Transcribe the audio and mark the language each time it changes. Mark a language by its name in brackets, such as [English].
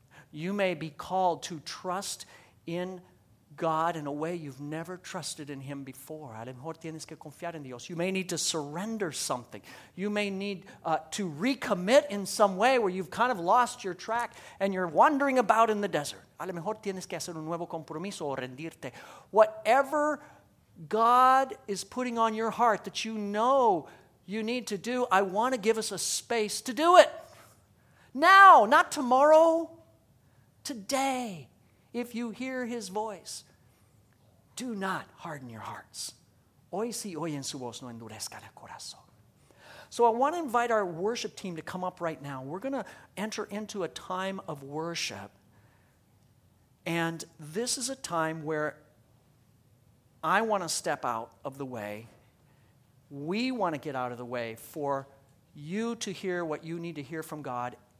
[English] You may be called to trust in God in a way you've never trusted in him before. [Spanish] A lo mejor tienes que confiar en Dios. [English] You may need to surrender something. You may need to recommit in some way where you've kind of lost your track and you're wandering about in the desert. [Spanish] A lo mejor tienes que hacer un nuevo compromiso o rendirte. [English] Whatever God is putting on your heart that you know you need to do, I want to give us a space to do it. Now, not tomorrow. Today, if you hear his voice, do not harden your hearts. [Spanish] Hoy si oyen su voz, no endurezca el corazón. [English] So I want to invite our worship team to come up right now. We're going to enter into a time of worship. And this is a time where I want to step out of the way. We want to get out of the way for you to hear what you need to hear from God.